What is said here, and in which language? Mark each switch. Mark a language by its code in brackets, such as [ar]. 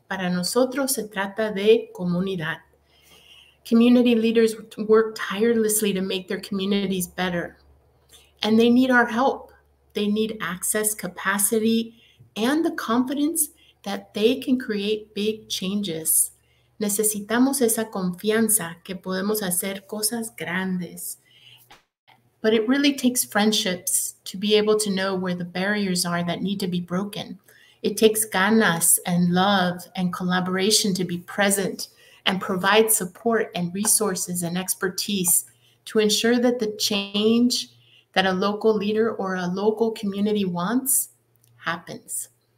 [es] Para nosotros se trata de comunidad. [en] Community leaders work tirelessly to make their communities better, and they need our help. They need access, capacity, and the confidence that they can create big changes. [es] Necesitamos esa confianza que podemos hacer cosas grandes. [en] But it really takes friendships to be able to know where the barriers are that need to be broken. It takes ganas and love and collaboration to be present and provide support and resources and expertise to ensure that the change that a local leader or a local community wants happens.